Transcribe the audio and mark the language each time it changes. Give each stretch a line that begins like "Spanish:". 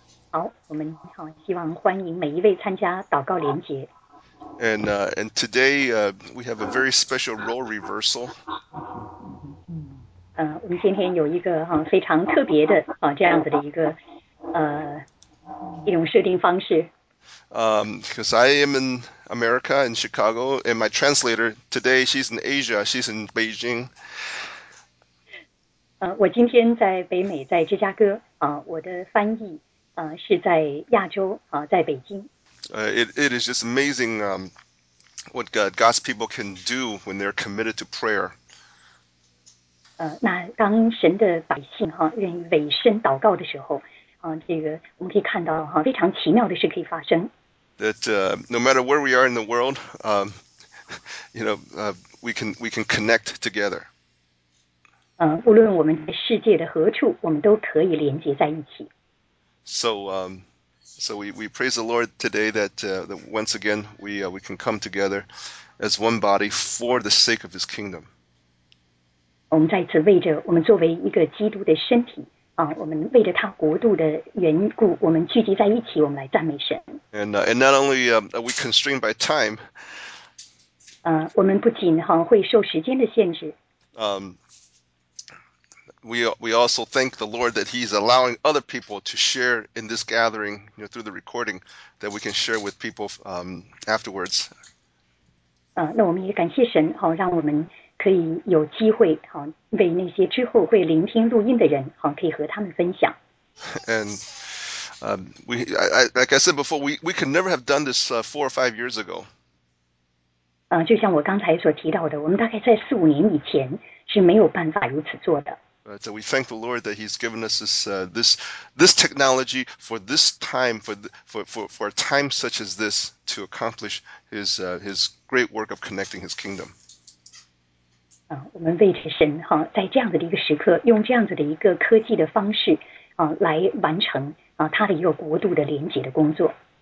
Chinese: 好，我们好，希望欢迎每一位参加祷告联结。
English: And today we have a very special role reversal.
Chinese: 我们今天有一个哈非常特别的啊这样子的一个一种设定方式。
English: Because I am in America, in Chicago, and my translator today, she's in Asia, she's in Beijing.
Chinese: 我今天在北美，在芝加哥啊，我的翻译是在亚洲啊，在北京。
English: It is just amazing what God's people can do when they're committed to prayer.
Chinese: 那当神的百姓哈愿意委身祷告的时候。这个我们可以看到哈，非常奇妙的事可以发生。
English: That no matter where we are in the world, we can connect together.
Chinese: 无论我们在世界的何处，我们都可以连接在一起。
English: So we praise the Lord today that once again we can come together as one body for the sake of His kingdom.
Chinese: 我们再次为着我们作为一个基督的身体。我们为着他国度的缘故，我们聚集在一起，我们来赞美神。
English: And not only are we constrained by time.
Chinese: 我们不仅哈会受时间的限制。
English: We also thank the Lord that He's allowing other people to share in this gathering, you know, through the recording that we can share with people afterwards.
Chinese: 那我们也感谢神哈，让我们。可以有机会好为那些之后会聆听录音的人好可以和他们分享。
English: And like I said before, we could never have done this 4 or 5 years ago.
Chinese: 就像我刚才所提到的，我们大概在四五年以前是没有办法如此做的。
English: But we thank the Lord that He's given us this technology for this time for a time such as this to accomplish His great work of connecting His kingdom.
Chinese: 我们为着神哈，在这样子的一个时刻，用这样子的一个科技的方式啊，来完成啊他的一个国度的连结的工作。